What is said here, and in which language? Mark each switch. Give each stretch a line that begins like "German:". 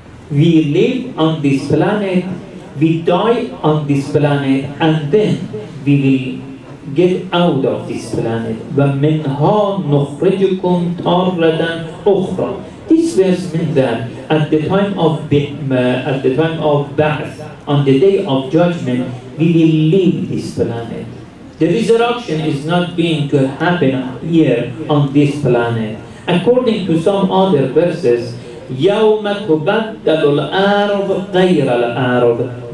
English: We live on this planet, we die on this planet, and then we will get out of this planet.
Arabic: ومنها نخرجكم تارتن اخرى.
English: This verse means that at the time of birth, on the day of judgment, we will leave this planet. The resurrection is not going to happen here on this planet.
Arabic: According to some other verses, يَوْمَ تُبَدَّلُ الْأَرْضُ غَيْرَ الْأَرْضُ.